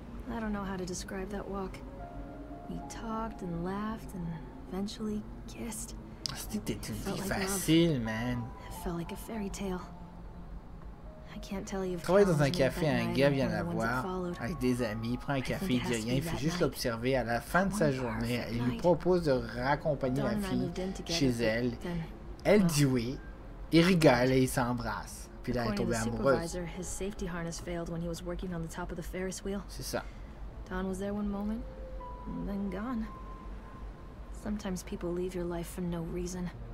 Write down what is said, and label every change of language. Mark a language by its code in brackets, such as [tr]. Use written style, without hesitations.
[en] I don't know how to describe that walk. We talked and laughed and eventually kissed. It felt facile, like man. It felt like a fairy tale. I can't tell you if Callum was made that night or one of the ones that followed. [fr] Avec des amis, il prend un café, il dit rien, il fait juste l'observer à la fin de sa journée. Il lui propose de raccompagner la fille chez elle. Elle dit oui, il rigole et il s'embrasse. puis là, elle est tombée amoureuse. [en] His safety harness failed when he was working on the top of the Ferris wheel. [fr] C'est ça. [en] Don was there one moment, and then gone. Sometimes people leave your life for no reason.